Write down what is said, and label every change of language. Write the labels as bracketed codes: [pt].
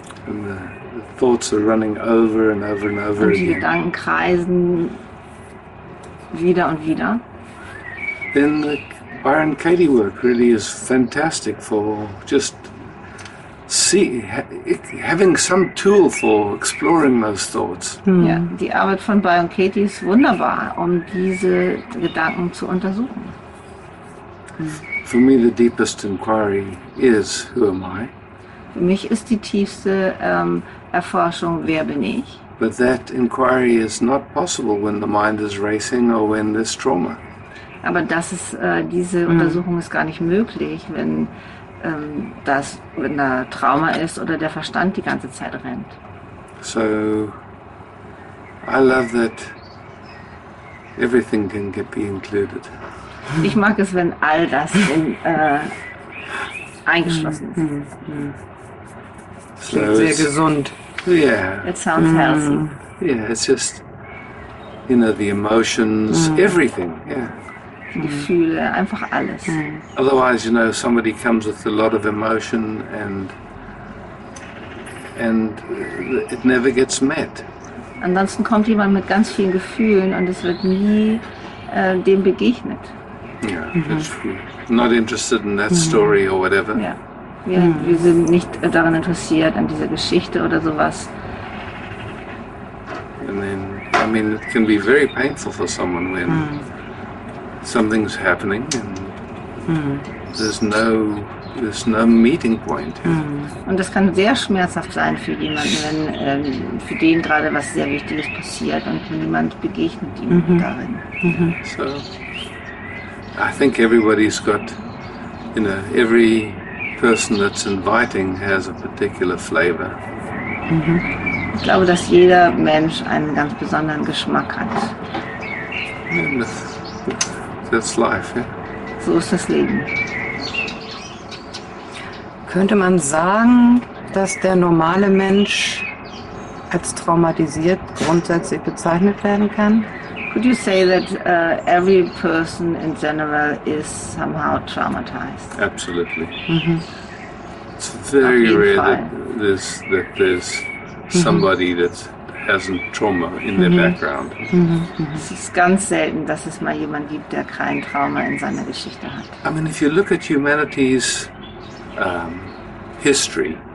[en] And the thoughts are running over and over and over [de] Und die Gedanken kreisen wieder und wieder. [en] Then the Byron Katie work really is fantastic for just having some tool for exploring those thoughts. [de] Ja, die Arbeit von Byron Katie ist wunderbar, um diese Gedanken zu untersuchen. [en] For me, the deepest inquiry is, who am I? [de] Für mich ist die tiefste Erforschung, wer bin ich? [en] But that inquiry is not possible when the mind is racing or when there's trauma. [de] Aber das ist diese Untersuchung ist gar nicht möglich, wenn wenn da Trauma ist oder der Verstand die ganze Zeit rennt. [en] So, I love that everything can get be included. [de] Ich mag es, wenn all das in, eingeschlossen ist. So klingt sehr gesund. [en] Yeah. It sounds healthy. Yeah, it's just, you know, the emotions, everything, yeah. [de] Gefühle, einfach alles. [en] Otherwise, you know, somebody comes with a lot of emotion and it never gets met. [de] Ansonsten kommt jemand mit ganz vielen Gefühlen und es wird nie dem begegnet. [en] Yeah, not interested in that story or whatever. Yeah. [de] Wir sind nicht daran interessiert, an dieser Geschichte oder sowas. [en] And then, I mean, it can be very painful for someone when something's happening and there's no meeting point. [de] Und das kann sehr schmerzhaft sein für jemanden, wenn für den gerade was sehr Wichtiges passiert und niemand begegnet ihm darin. [en] So, I think everybody's got, you know, every person that's inviting has a particular flavor. [de] Ich glaube, dass jeder Mensch einen ganz besonderen Geschmack hat. [en] That's life, [de] yeah? So ist das Leben. Könnte man sagen, dass der normale Mensch als traumatisiert grundsätzlich bezeichnet werden kann? [en] Could you say that every person in general is somehow traumatized? Absolutely. It's very rare that there's somebody that's hasn't trauma in their background. [de] Es ist ganz selten, dass es mal jemand gibt, der kein Trauma in seiner Geschichte hat. [en] I mean, if you look at humanity's history.